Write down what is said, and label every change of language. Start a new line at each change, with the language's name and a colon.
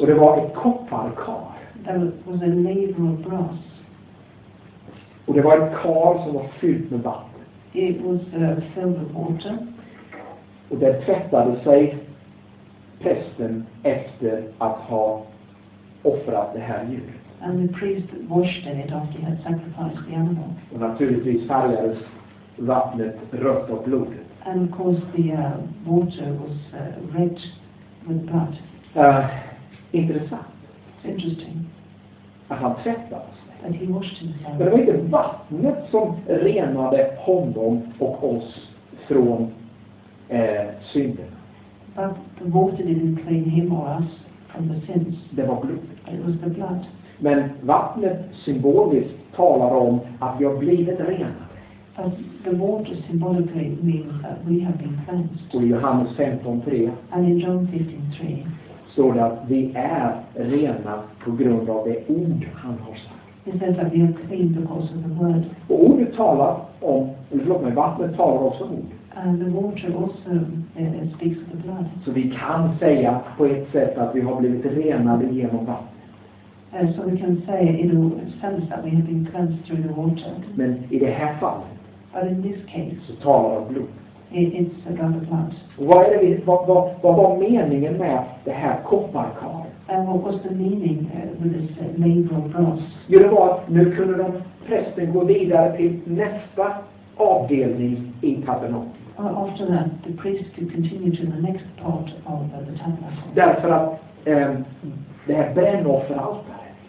Swedish: Och det var ett kopparkar.
English: There was a laver of brass.
Swedish: Och det var ett kar som var fyllt med vatten.
English: It was filled with water.
Swedish: Och där tvättade sig prästen efter att ha offrat det här djuret.
English: And the priest washed in it after he had sacrificed the animal.
Swedish: Och naturligtvis färgades vattnet rött av blodet.
English: And of course the water was red with blood.
Swedish: Intressant.
English: It's interesting.
Swedish: Att han tvättade sig.
English: That he washed himself.
Swedish: Men det var inte vattnet som renade honom och oss från synden.
English: But the water didn't clean him or us from the sins.
Swedish: Det var blodet.
English: It was the blood.
Swedish: Men vattnet symboliskt talar om att vi har blivit rena.
English: As the water symbolically means that we have been cleansed.
Swedish: Och i Johannes 15:3.
English: And in John 15:3.
Swedish: Står det att vi är rena på grund av det ord han har sagt.
English: It says that we are clean because of the word.
Swedish: Och ordet talar om, förlåt mig, vattnet talar också om ord.
English: And the water also speaks of the blood.
Swedish: Så vi kan säga på ett sätt att vi har blivit renade genom vattnet.
English: So we can say in a sense that we have been cleansed through the water.
Swedish: Men i det här fallet.
English: But in this case.
Swedish: Så talar om blod.
English: It's about the blood.
Swedish: Vad är det vi, vad var meningen med det här kopparkaret?
English: And what was the meaning with this laver of brass?
Swedish: Jo, det var att nu kunde de prästen gå vidare till nästa avdelning i tabernaklet.
English: After that, the priest could continue to the next part of the tabernacle.
Swedish: Därför att det här brännofferaltaret.